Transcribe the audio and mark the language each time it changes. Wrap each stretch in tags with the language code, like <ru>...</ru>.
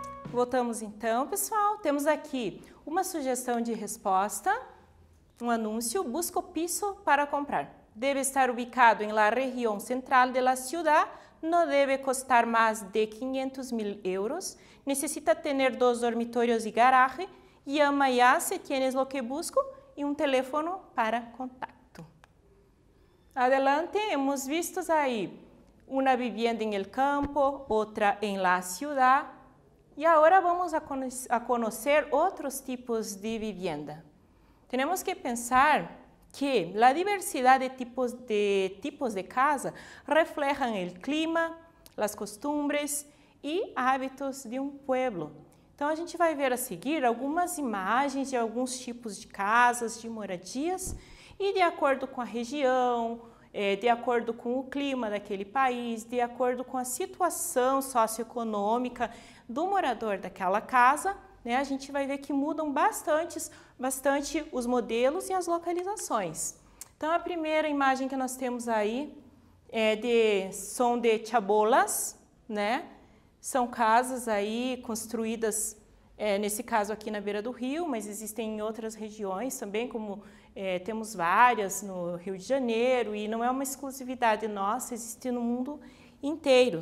<pt>Voltamos então, pessoal. Temos aqui uma sugestão de resposta, um anúncio,</pt> <es>busco piso para comprar. Deve estar ubicado em la região central de la ciudad, no deve costar más de 500 mil euros, necesita tener dos dormitorios y garaje, llama ya si tienes lo que busco y un teléfono para contacto. Adelante, hemos visto ahí una vivienda en el campo, otra en la ciudad, y ahora vamos a conocer otros tipos de vivienda. Tenemos que pensar que la diversidad de tipos de casa reflejan el clima, las costumbres y hábitos de un pueblo. Entonces,</es> <pt>a gente va a ver a seguir algunas imágenes de algunos tipos de casas, de moradías, y de acuerdo con la región, de acuerdo con el clima de aquel país, de acuerdo con la situación socioeconómica del morador de aquella casa, né, a gente vai ver que mudam bastante os modelos e as localizações. Então, a primeira imagem que nós temos aí é são de chabolas, né? São casas aí construídas, nesse caso aqui na beira do rio, mas existem em outras regiões também, como temos várias no Rio de Janeiro, e não é uma exclusividade nossa, existe no mundo inteiro.</pt>